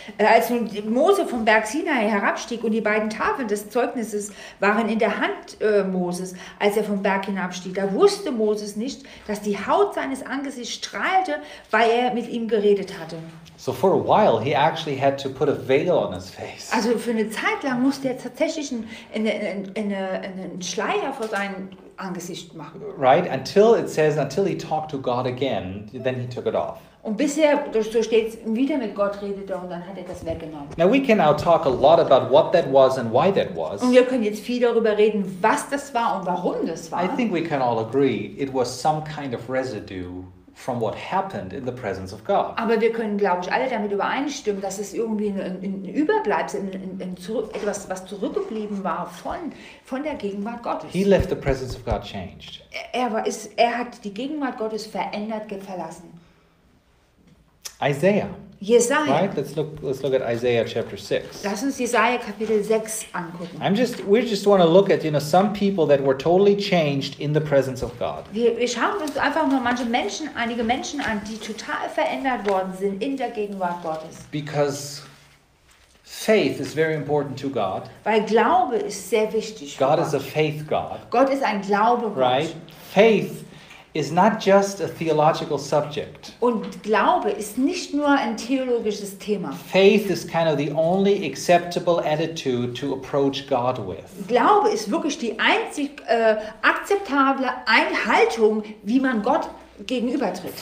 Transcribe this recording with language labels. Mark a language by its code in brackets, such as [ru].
[de] Als nun Mose vom Berg Sinai herabstieg und die beiden Tafeln des Zeugnisses waren in der Hand Moses, als er vom Berg hinabstieg, da wusste Moses nicht, dass die Haut seines Angesichts strahlte, weil er mit ihm geredet hatte. [en] So for a while he actually had to put a veil on his face. [de] Also für eine Zeit lang musste er tatsächlich einen Schleier vor seinen Angesicht machen. [en] Right, until it says, until he talked to God again, then he took it off. [de] Und bisher, so steht es, wieder mit Gott redete und dann hat er das weggenommen. [en] Now we can now talk a lot about what that was and why that was. [de] Und wir können jetzt viel darüber reden, was das war und warum das war. [en] I think we can all agree, it was some kind of residue from what happened in the presence of God. [de] Aber wir können, glaube ich, alle damit übereinstimmen, dass es irgendwie ein Überbleibsel, etwas, was zurückgeblieben war von der Gegenwart Gottes. [en] He left the presence of God changed. [de] Er hat die Gegenwart Gottes verändert verlassen. [en] Isaiah. [de] Jesaja. [en] Right? Let's look at Isaiah chapter 6. [de] Lass uns Jesaja Kapitel 6 angucken. [en] We just want to look at, you know, some people that were totally changed in the presence of God. [de] Wir schauen uns einfach nur manche Menschen, einige Menschen an, die total verändert worden sind in der Gegenwart Gottes. [en] Because faith is very important to God. [de] Weil Glaube ist sehr wichtig. [en] God is a faith God. [de] Gott ist ein Glaube-Gott. [en] Right? Faith is not just a theological subject. [de] Und Glaube ist nicht nur ein theologisches Thema. [en] Faith is kind of the only acceptable attitude to approach God with. [de] Glaube ist wirklich die einzig akzeptable Einhaltung, wie man Gott gegenübertritt.